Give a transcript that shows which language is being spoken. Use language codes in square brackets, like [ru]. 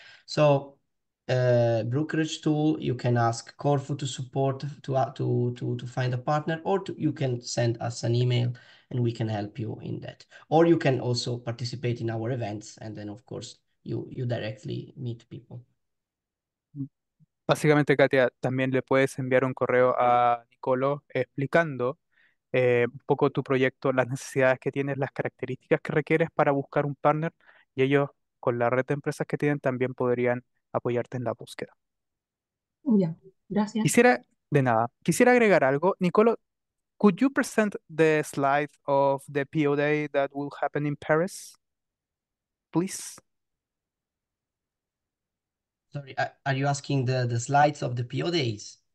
[en] So, brokerage tool, you can ask Corfu to support to find a partner, or you can send us an email and we can help you in that. Or you can also participate in our events, and then of course you directly meet people. [es] Básicamente, Katia, también le puedes enviar un correo a Nicolo explicando un poco tu proyecto, las necesidades que tienes, las características que requieres para buscar un partner y ellos con la red de empresas que tienen también podrían apoyarte en la búsqueda. Gracias. Quisiera, de nada, quisiera agregar algo. [en] Nicolo, could you present the slide of the POD that will happen in Paris, please? Sorry, are you asking the slides of the PO days?